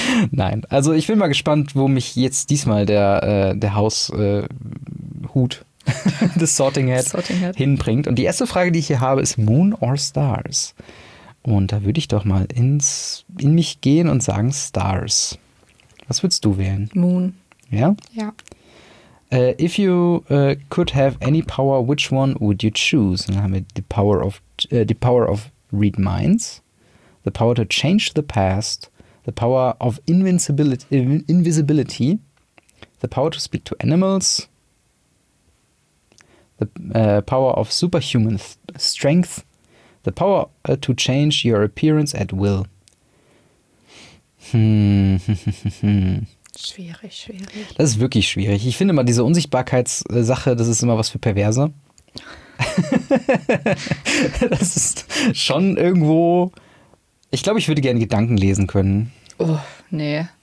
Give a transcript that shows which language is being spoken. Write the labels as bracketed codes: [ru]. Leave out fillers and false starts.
[de] Nein, also ich bin mal gespannt, wo mich jetzt diesmal der Haushut, das Sorting Hat hinbringt. Und die erste Frage, die ich hier habe, ist [en] Moon or Stars? [de] Und da würde ich doch mal in mich gehen und sagen Stars. Was würdest du wählen? Moon. Ja? Ja. [en] If you could have any power, which one would you choose? [de] Und dann haben wir [en] the power of read minds, the power to change the past, the power of invisibility, the power to speak to animals, the power of superhuman strength, the power to change your appearance at will. [de] Schwierig. Das ist wirklich schwierig. Ich finde mal diese Unsichtbarkeitssache, das ist immer was für Perverse. Das ist schon irgendwo... Ich glaube, ich würde gerne Gedanken lesen können. Oh, nee.